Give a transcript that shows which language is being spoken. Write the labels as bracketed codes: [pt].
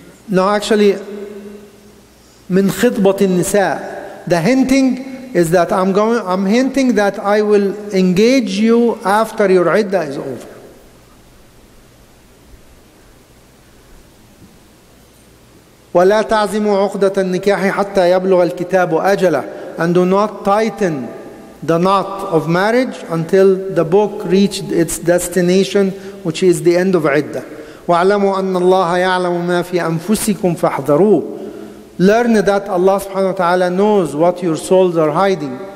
[en] No, actually, [ar] من خطبة النساء. [en] The hinting is that I'm hinting that I will engage you after your iddah is over. [ar] ولا تعزم عقدة النكاح حتى يبلغ الكتاب أجله. [en] And do not tighten the knot of marriage until the book reached its destination, which is the end of iddah. [ar] وَاعْلَمُوا أَنَّ اللَّهَ يَعْلَمُ مَا فِي أَنفُسِكُمْ فَاحْذَرُوهُ. [en] Learn that Allah subhanahu wa ta'ala knows what your souls are hiding.